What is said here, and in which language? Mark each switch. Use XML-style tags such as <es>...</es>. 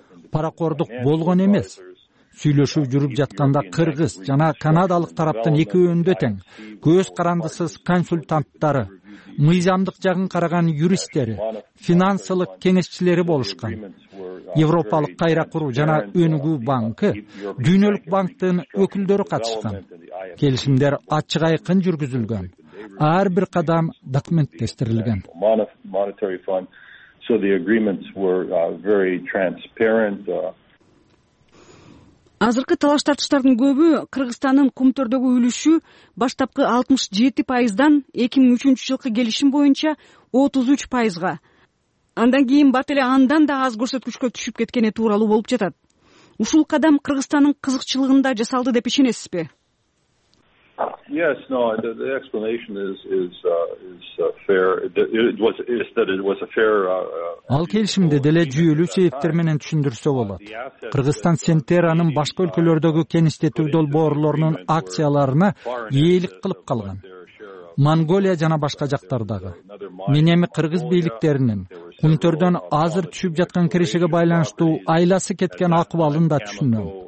<ky>Паракордук болгон эмес. Сүйлөшүү жүрүп жатканда кыргыз жана канадалык тараптын экөөндө тең көз карандысыз консультанттары, мыйзамдык жагын караган юристтери, финансылык кеңешчилери болушкан. Европалык кайра куруу жана өнүгүү банкы, дүйнөлүк банктын өкүлдөрү катышкан. Келишимдер ачык айкын жүргүзүлгөн. Ар бир кадам документтештирилген.</ky> <en>So the agreements were very transparent.</en> <ky>Азыркы талаш тартыштардын көбү Кыргызстандын Кумтордогу үлүшү баштапкы 67%дан 2003 жылкы келишим боюнча 33%га. Андан кийин бат эле андан да аз көрсөткүчкө түшүп кеткени тууралуу болуп жатат. Ушул кадам Кыргызстандын кызыкчылыгында жасалды деп ишенесизби?</ky> <en>Yes, no, the explanation is fair.</en> <ky>Ал келишимди деле жүйөлүү себептер менен түшүндүрсө болот. Кыргызстан Сентеранын башка өлкөлөрдөгү кеңиштетүү долбоорлорунун акцияларына ээлик кылып калган. Монголия жана башка жактардагы. Мен эми кыргыз бийликтеринин Кумтордон азыр түшүп жаткан киришиге байланыштуу айласы кеткен акыбалын да түшүнөм.</ky>